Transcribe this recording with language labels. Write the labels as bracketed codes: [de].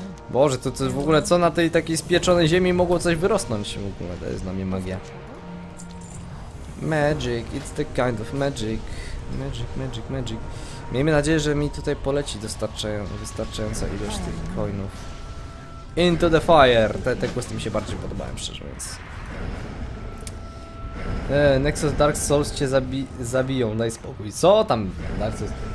[pl] Boże, to w ogóle co na tej takiej spieczonej ziemi mogło coś wyrosnąć? W ogóle to jest dla mnie magia. [en] Magic, it's the kind of magic. Magic. [pl] Miejmy nadzieję, że mi tutaj poleci wystarczająca ilość tych coinów. [en] Into the fire! [pl] Te questy mi się bardziej podobają, szczerze mówiąc. Nexus Dark Souls cię zabiją, daj spokój. Co tam, Dark Souls?